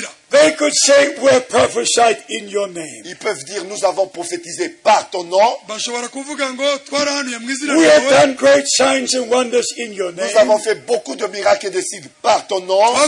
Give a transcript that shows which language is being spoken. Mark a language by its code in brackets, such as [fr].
[en] They could say we prophesied in your name. [fr] Ils peuvent dire nous avons prophétisé par ton nom. [en] We have done great signs and wonders in your name. [fr] Nous avons fait beaucoup de miracles et de signes par ton nom.